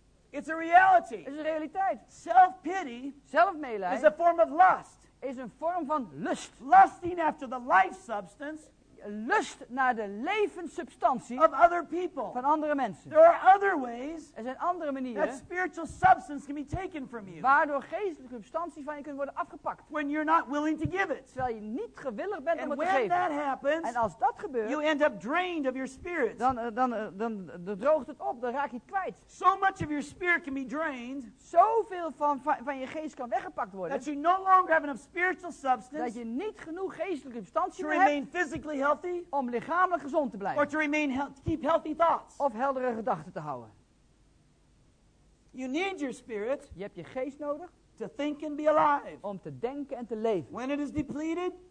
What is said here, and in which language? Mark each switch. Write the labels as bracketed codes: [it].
[en] It's a reality. [nl] Is een realiteit. [en] Self-pity, [nl] zelfmeelijden, [en] is a form of lust. [nl] Is een vorm van lust. [en] Lusting after the life substance. [nl] Lust naar de levenssubstantie [en] of other people, [nl] van andere mensen. [en] There are other ways, [nl] er zijn andere manieren, [en] that spiritual substance can be taken from you, [nl] waardoor geestelijke substantie van je kunt worden afgepakt, [en] when you're not willing to give it, [nl] terwijl je niet gewillig bent [en] and [nl] om het te geven. [en] That happens, [nl] en als dat gebeurt, [en] you end up drained of your spirit. [nl] Dan droogt het op, dan raak je het kwijt. [en] So much of your spirit can be drained, [nl] zoveel van je geest kan weggepakt worden, [en] that you no longer have enough spiritual substance, [nl] dat je niet genoeg geestelijke substantie [en] to [nl] meer [en] remain [nl] hebt, [en] physically healthy, [nl] om lichamelijk gezond te blijven. [en] Or to remain keep healthy thoughts. [nl] Of heldere gedachten te houden. [en] You need your spirit. [nl] Je hebt je geest nodig. [en] To think and be alive. [nl] Om te denken en te leven. [en] When it is depleted.